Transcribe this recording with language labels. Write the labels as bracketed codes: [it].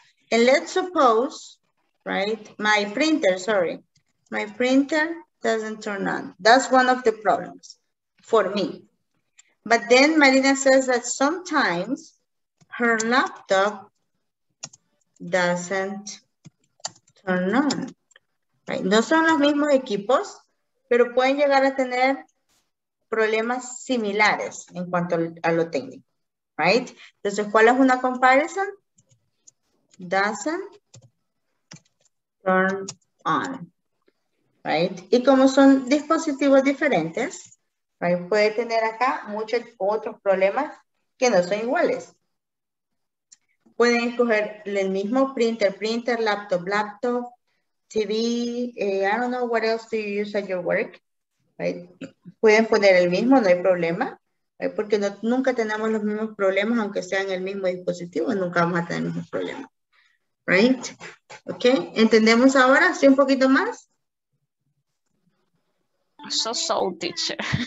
[en] And let's suppose, right, my printer doesn't turn on. That's one of the problems for me. But then Marina says that sometimes her laptop doesn't turn on. Right. [es] No son los mismos equipos, pero pueden llegar a tener problemas similares en cuanto a lo técnico. Right? Entonces, ¿cuál es una comparison? [en] Doesn't turn on. [es] Right? Y como son dispositivos diferentes, right, puede tener acá muchos otros problemas que no son iguales. Pueden escoger el mismo printer, laptop, TV, [en] I don't know what else do you use at your work, [es] right? Pueden poner el mismo, no hay problema, right? Porque no, nunca tenemos los mismos problemas, aunque sean el mismo dispositivo, nunca vamos a tener el mismo problema, right? Ok, ¿entendemos ahora? ¿Sí un poquito más? [en] So, teacher.